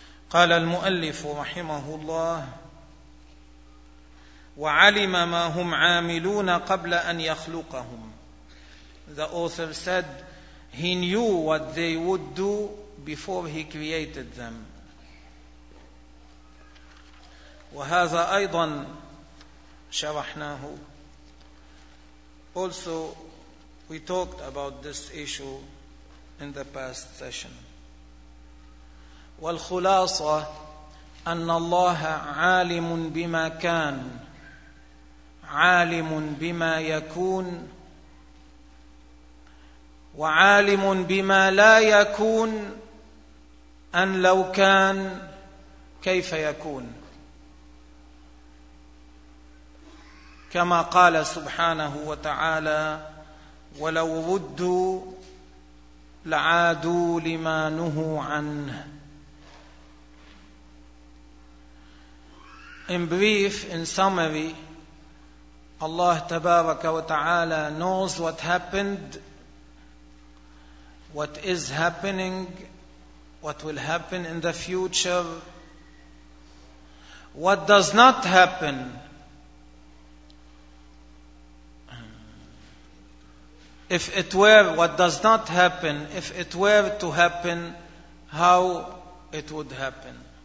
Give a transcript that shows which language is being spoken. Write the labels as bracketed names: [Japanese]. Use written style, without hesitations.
[Arabic] قال المؤلف رحمه الله وعلم ما هم عاملون قبل أن يخلقهم. [English] The author said He knew what they would do before He created them. [Arabic] وهذا أيضا شرحناه. [English] Also, we talked about this issue in the past session. [Arabic] والخلاصة أن الله عالم بما كان عالم بما يكون وعالم بما لا يكون أن لو كان كيف يكون كما قال سبحانه وتعالى ولو ردوا لعادوا لما نهوا عنه. [English] In brief, in summary, Allah Tabaraka wa Ta'ala knows what happened, what is happening, what will happen in the future, what does not happen, if it were, what does not happen, if it were to happen, how it would happen.